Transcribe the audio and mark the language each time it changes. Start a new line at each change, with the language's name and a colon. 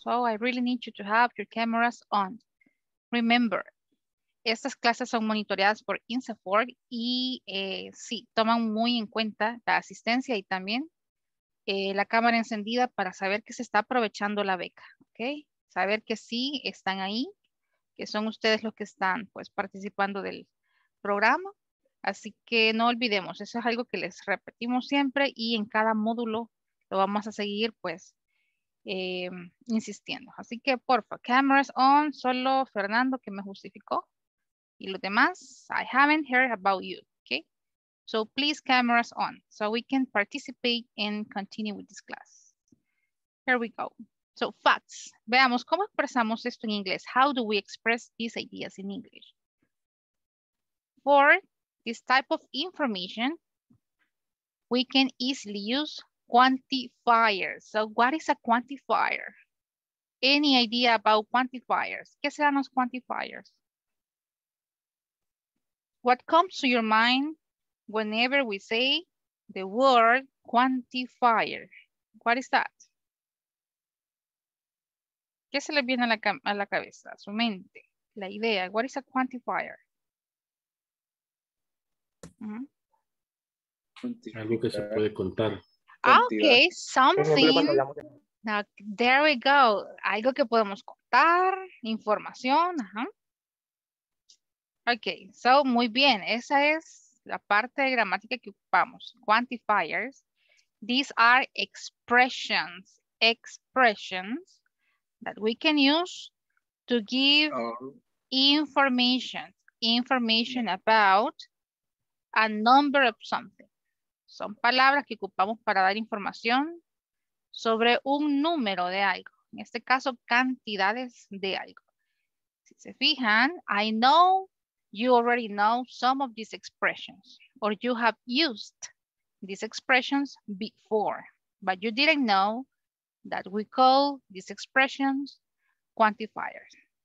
English: So I really need you to have your cameras on.
Spanish: Remember, estas clases son monitoreadas por INSAFORP y sí, toman muy en cuenta la asistencia y también la cámara encendida para saber que se está aprovechando la beca. Okay? Saber que sí están ahí. Que son ustedes los que están pues participando del programa. Así que no olvidemos, eso es algo que les repetimos siempre y en cada módulo lo vamos a seguir pues insistiendo. Así que porfa,
English: cameras on,
Spanish: solo Fernando que me justificó y los demás,
English: I haven't heard about you, okay? So please cameras on so we can participate and continue with this class. Here we go. So facts,
Spanish: veamos, ¿cómo expresamos esto en inglés?
English: How do we express these ideas in English? For this type of information, we can easily use quantifiers. So what is a quantifier? any idea about quantifiers?
Spanish: ¿Qué serán los quantifiers?
English: What comes to your mind whenever we say the word quantifier? What is that?
Spanish: ¿Qué se le viene a la cabeza, a su mente, la idea?
English: What is a quantifier?
Spanish: Mm-hmm. Algo que se puede contar.
English: Okay, something. Now, there we go.
Spanish: Algo que podemos contar, información.
English: Uh-huh. Okay, so
Spanish: muy bien. Esa es la parte de gramática que ocupamos.
English: Quantifiers. These are expressions. Expressions that we can use to give information. Information about a number of something.
Spanish: Son palabras que ocupamos para dar información sobre un número de algo. En este caso, cantidades de algo. Si se fijan,
English: I know you already know some of these expressions, or you have used these expressions before, but you didn't know that we call these expressions quantifiers.